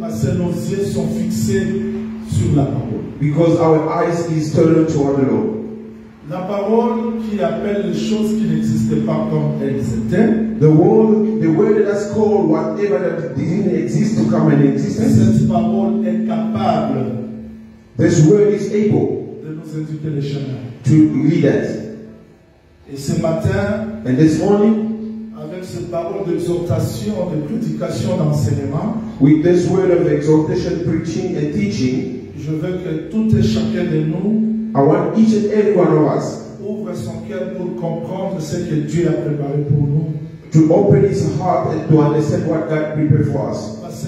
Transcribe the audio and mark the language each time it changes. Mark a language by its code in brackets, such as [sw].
[fr] Parce que nos yeux sont fixés sur la parole. [en] Because our eyes is turned toward the Lord. [fr] La parole qui appelle les choses qui n'existaient pas comme elles étaient. [en] The word that has called whatever that didn't exist to come and exist. [fr] Cette parole est capable. [en] This word is able [fr] de nous indiquer le chemin. [en] To lead us. [fr] Et ce matin, [en] and this morning, [fr] avec cette parole d'exhortation, de prédication, d'enseignement, [en] with this word of exhortation, preaching and teaching, [fr] je veux que tout et chacun de nous, [en] I want each and every one of us, [fr] ouvre son cœur pour comprendre ce que Dieu a préparé pour nous. [en] To open his heart and to understand what God prepared for us.